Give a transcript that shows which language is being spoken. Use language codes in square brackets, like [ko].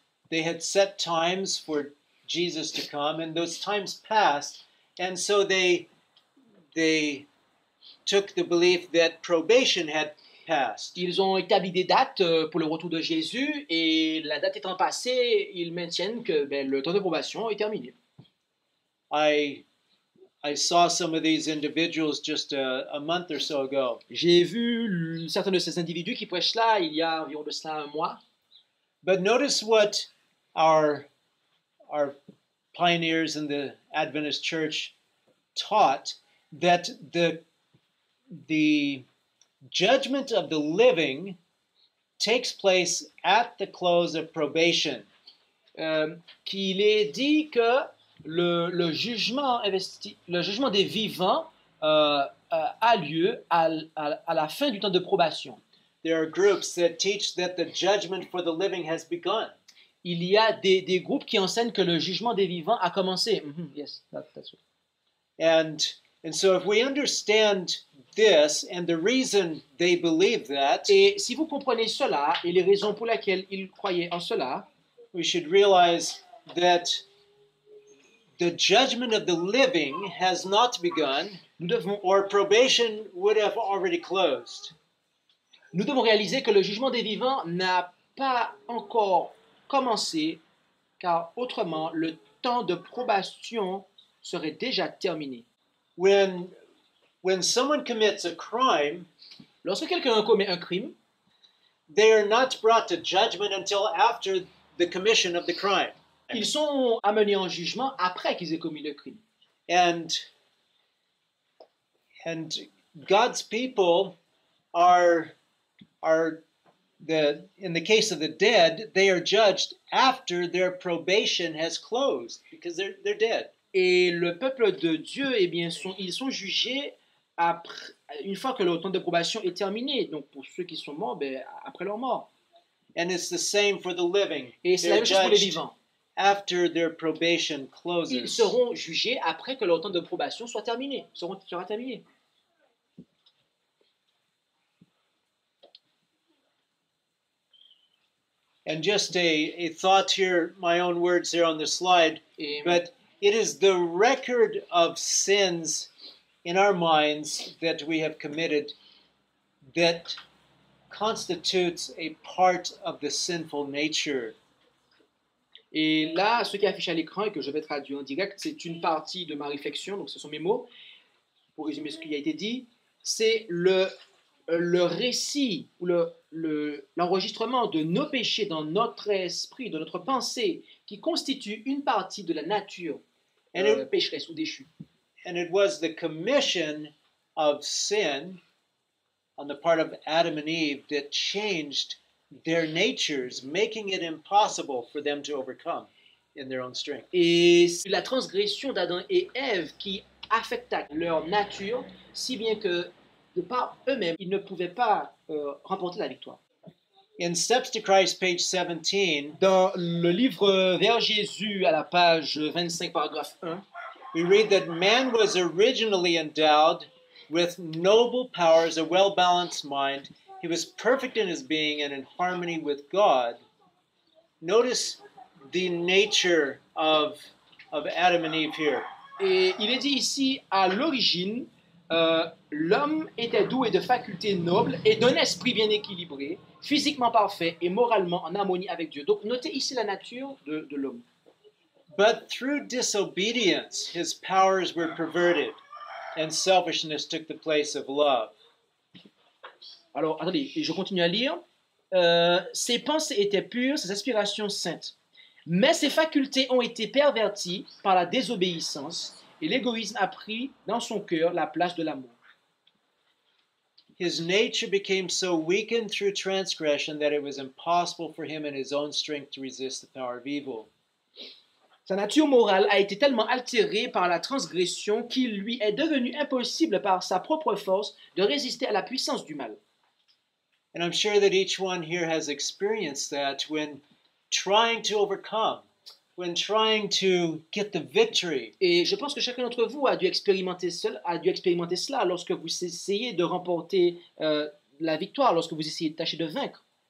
[en] They had set times for Jesus to come, and those times passed, and so they took the belief that probation had passed. [fr] Ils ont établi des dates pour le retour de Jésus, et la date étant passée, ils maintiennent que le temps de probation est terminé. [en] I saw some of these individuals just a month or so ago. [fr] J'ai vu certains de ces individus qui prêchent là il y a environ de cela un mois. [en] But notice what our pioneers in the Adventist Church taught, that the judgment of the living takes place at the close of probation. [fr] Qu'il est dit que le jugement des vivants a lieu à la fin du temps de probation. [en] There are groups that teach that the judgment for the living has begun. [fr] Il y a des groupes qui enseignent que le jugement des vivants a commencé. [en] Mm-hmm. Yes, that's right. And so if we understand this and the reason they believe that, [fr] et si vous comprenez cela et les raisons pour lesquelles ils croyaient en cela, [en] we should realize that the judgment of the living has not begun, or probation would have already closed. [fr] Nous devons réaliser que le jugement des vivants n'a pas encore commencer, car autrement le temps de probation serait déjà terminé. [en] When someone commits a crime, [fr] lorsque quelqu'un commet un crime, [en] they are not brought to judgment until after the commission of the crime. [fr] Ils sont amenés en jugement après qu'ils aient commis le crime. [en] And God's people are in the case of the dead, they are judged after their probation has closed, because they're dead. [fr] Et le peuple de Dieu, eh bien, ils sont jugés après, une fois que leur temps de probation est terminé. Donc, pour ceux qui sont morts, après leur mort. [en] And it's the same for the living. [fr] Et c'est la même chose pour les vivants. [en] After their probation closes. [fr] Ils seront jugés après que leur temps de probation soit terminé. Sera terminé. [en] And just a thought here, my own words here on the slide, but it is the record of sins in our minds that we have committed that constitutes a part of the sinful nature. [fr] Et là, ce qui est affiché à l'écran et que je vais traduire en direct, c'est une partie de ma réflexion, donc ce sont mes mots, pour résumer ce qui a été dit, c'est le récit ou l'enregistrement de nos péchés dans notre esprit, dans notre pensée, qui constitue une partie de la nature pécheresse ou déchue. [en] And it was the commission of sin on the part of Adam and Eve that changed their natures, making it impossible for them to overcome in their own strength. [fr] Et la transgression d'Adam et Ève qui affecta leur nature, si bien que de par eux-mêmes, ils ne pouvaient pas remporter la victoire. [en] In Steps to Christ, page 17, [fr] dans le livre Vers Jésus, à la page 25, paragraphe 1, [en] we read that man was originally endowed with noble powers, a well-balanced mind. He was perfect in his being and in harmony with God. Notice the nature of Adam and Eve here. [fr] Et il est dit ici, à l'origine, l'homme était doué de facultés nobles et d'un esprit bien équilibré, physiquement parfait et moralement en harmonie avec Dieu. Donc, notez ici la nature de l'homme. [en] But through disobedience, his powers were perverted, and selfishness took the place of love. [fr] Alors, attendez, je continue à lire. Ses pensées étaient pures, ses aspirations saintes. Mais ses facultés ont été perverties par la désobéissance, et l'égoïsme a pris dans son cœur la place de l'amour. [en] His nature became so weakened through transgression that it was impossible for him in his own strength to resist the power of evil. [fr] Sa nature morale a été tellement altérée par la transgression qu'il lui est devenu impossible par sa propre force de résister à la puissance du mal. [en] And I'm sure that each one here has experienced that when trying to overcome, when trying to get the victory. [fr] Et je pense que chacun d'entre vous a dû expérimenter cela lorsque vous essayez de remporter la victoire, lorsque vous essayez de tâcher de vaincre.